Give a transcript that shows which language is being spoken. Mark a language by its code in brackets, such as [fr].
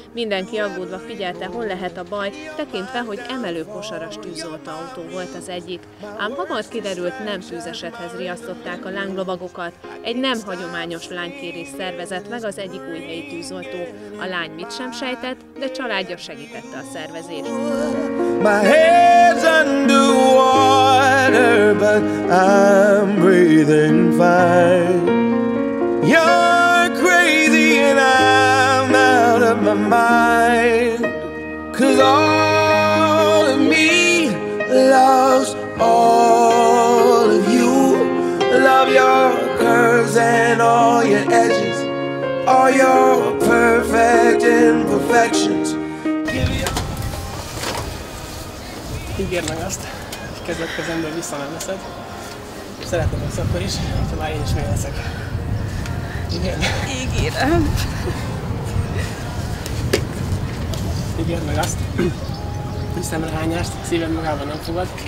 [hu] Mindenki aggódva figyelte, hol lehet a baj, tekintve, hogy emelő kosaras tűzolt autó volt az egyik. Ám hamar kiderült, nem tűzesethez riasztották a lánglovagokat. Egy nem hagyományos lánykérés szervezett meg az egyik újhelyi tűzoltó. A lány mit sem sejtett, de családja segítette a szervezést. [en] My head's underwater, but I'm breathing fine. You're crazy and I'm out of my mind. 'Cause all of me loves all of you. Love your curves and all your edges, all your perfect imperfections. [hu] Ígérd meg azt, hogy kezdetkezemből vissza nem leszed. Szeretem ezt akkor is, ha már én is még leszek. Ígérem. Ígérd meg azt, hogy szemrehányást szívem magában nem fogad.